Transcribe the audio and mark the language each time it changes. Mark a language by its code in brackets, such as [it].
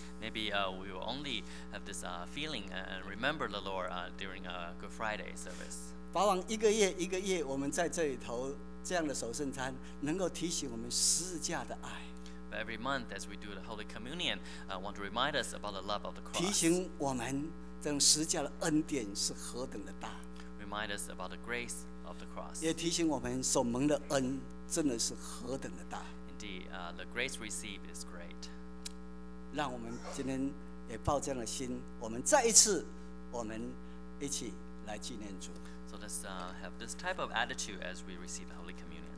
[en] Maybe we will only have this feeling and remember the Lord during a Good Friday service. [zh] 往往一个月一个月，我们在这里头这样的守圣餐，能够提醒我们十字架的爱。 [en] But every month, as we do the Holy Communion, I want to remind us about the love of the cross. [zh] 提醒我们这种十字架的恩典是何等的大。 [en] Remind us about the grace. [zh] 也提醒我们所蒙的恩真的是何等的大。 [en] Indeed, the grace received is great. [zh] 让我们今天也抱这样的心，我们再一次，我们一起来纪念主。 [en] So let's have this type of attitude as we receive the Holy Communion.